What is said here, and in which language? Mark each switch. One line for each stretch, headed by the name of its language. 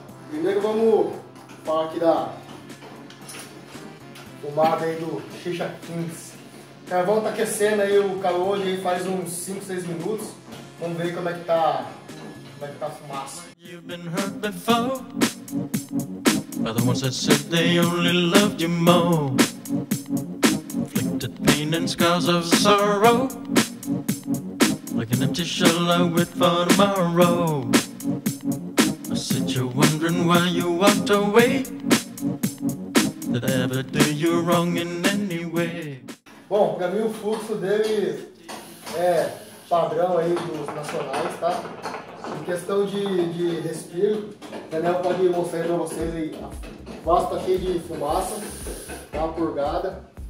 Portuguese: Primeiro vamos falar aqui da fumada aí do Shisha Kings. O carvão tá aquecendo aí o calor ali faz uns 5, 6 minutos, vamos ver como é que tá a fumaça.
English: You've been hurt before. By the ones that said they only loved you more. Inflicted pain and scars of sorrow. Like an empty shell I wait for tomorrow. I sit here wondering why you walked away. Did I ever do you wrong in any way?
Portuguese: Bom, pra mim o fluxo dele é padrão aí dos nacionais, tá? Em questão de respiro, o Daniel pode mostrar para vocês aí. A vaso tá cheio de fumaça, tá uma purgada.